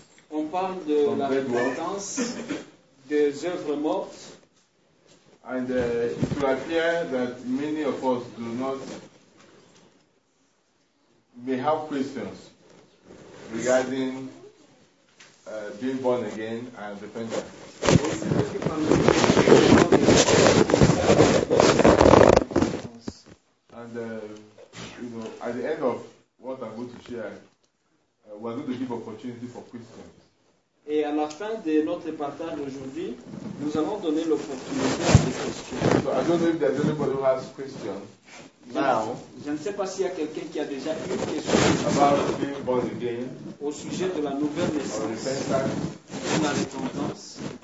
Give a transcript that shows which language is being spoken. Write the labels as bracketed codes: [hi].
[fr] on parle de la repentance, des œuvres mortes. [en] And it will appear that many of us do not may have questions regarding being born again and repentance. And at the end of what I'm going to share, we're going to give opportunity for questions. [fr] Et à la fin de notre partage aujourd'hui, nous allons donner l'opportunité à des questions. [en] So I don't know if there's anybody who has questions now. [fr] Je ne sais pas s'il y a quelqu'un qui a déjà eu une question [en] about being born again, [fr] au sujet de la nouvelle naissance ou la repentance.